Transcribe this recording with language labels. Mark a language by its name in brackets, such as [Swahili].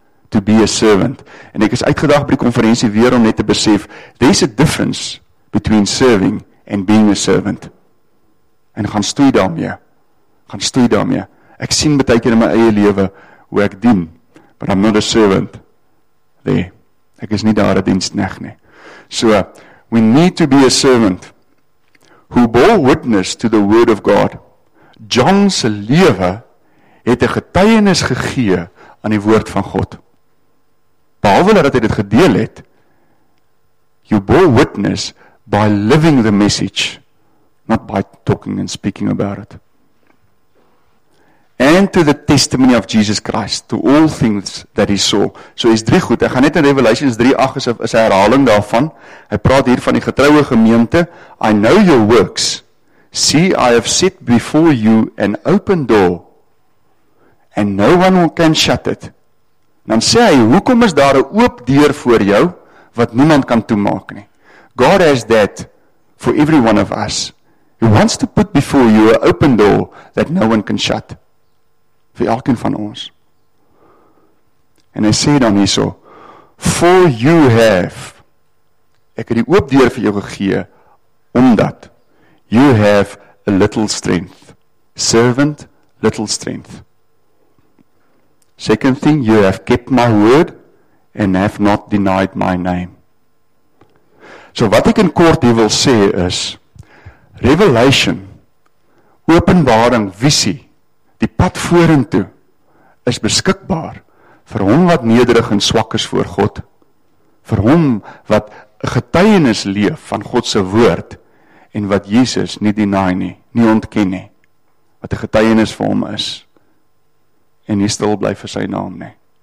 [Afrikaans] To be a servant. En ek is uitgedaag by die konferensie weer om net te besef, there's a difference between serving and being a servant. En gaan stoei daarmee. Gaan stoei daarmee. Ek sien baie keer in my eie lewe hoe ek dien, but I'm not a servant. Nee, ek is nie daar 'n diensknegt nie. [English] So, we need to be a servant who bore witness to the word of God. [Afrikaans] John se lewe het 'n getuienis gegee aan die woord van God. [English] Behalwe dat hy dit gedeel het, you bore witness by living the message, not by talking and speaking about it. And to the testimony of Jesus Christ, to all things that he saw. [Afrikaans] So is drie goed, ek gaan net in Revelations 3:8 is 'n herhaling daarvan, hy praat hier van die getroue gemeente, I know your works, see I have set before you an open door, and no one can shut it. En dan sê hy, hoekom is daar 'n oop deur voor jou, wat niemand kan toemaak nie? [English] God has that for every one of us. He wants to put before you an open door that no one can shut. [Afrikaans] Vir elkeen van ons. En hy sê dan hierso, for you have, ek het die oop deur vir jou gegee, omdat you have a little strength. [English] Servant, little strength. Second thing, you have kept my word and have not denied my name. [Afrikaans] So wat ek in kort hier wil sê is, revelation, openbaring, visie, die pad vorentoe, is beskikbaar vir hom wat nederig en swak is voor God, vir hom wat getuienis leef van God se woord, en wat Jesus nie deny nie, nie ontken nie, wat 'n getuienis vir hom is, en nie stil bly vir sy naam nie.